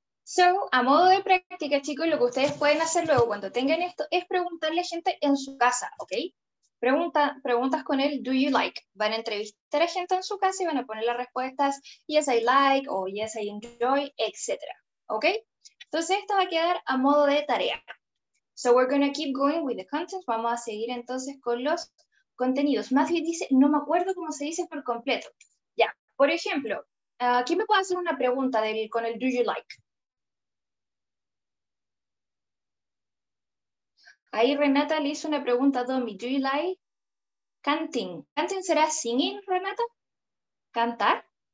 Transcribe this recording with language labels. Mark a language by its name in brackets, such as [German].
[Spanish] So, a modo de práctica, chicos, lo que ustedes pueden hacer luego cuando tengan esto es preguntarle a gente en su casa, okay? Preguntas con él, [English] do you like? [Spanish] Van a entrevistar a gente en su casa y van a poner las respuestas, [English] yes, I like, [Spanish] o [English] yes, I enjoy, [Spanish] etc. ¿Ok? Entonces, esto va a quedar a modo de tarea. [English] So, we're going to keep going with the content. [Spanish] Vamos a seguir entonces con los contenidos. Matthew dice, no me acuerdo cómo se dice por completo. Ya, yeah. Por ejemplo, ¿quién me puede hacer una pregunta con el [English] do you like? [Spanish] Ahí Renata le hizo una pregunta a Domi. [English] Do you like canting? ¿Canting será singing, Renata? ¿Cantar?